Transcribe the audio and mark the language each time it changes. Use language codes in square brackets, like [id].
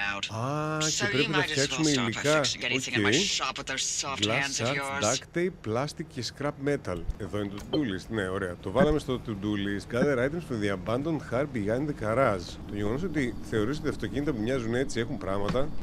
[el] Α, και πρέπει να φτιάξουμε υλικά. Οκ. [en] Γλάσσα, duct tape, plastic και scrap metal. [el] Εδώ είναι το to-do list. Ναι, ωραία. Το βάλαμε στο to-do list. [en] Gather items from the abandoned car behind the garage. [el] Το γεγονός ότι θεωρείς ότι αυτοκίνητα που μοιάζουν έτσι έχουν πράγματα.